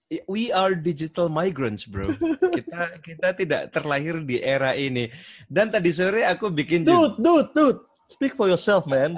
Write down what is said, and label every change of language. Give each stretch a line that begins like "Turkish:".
English: We are digital migrants, bro.
Indonesian: Kita tidak terlahir di era ini. Dan tadi sore aku bikin
English: dude, speak for yourself, man.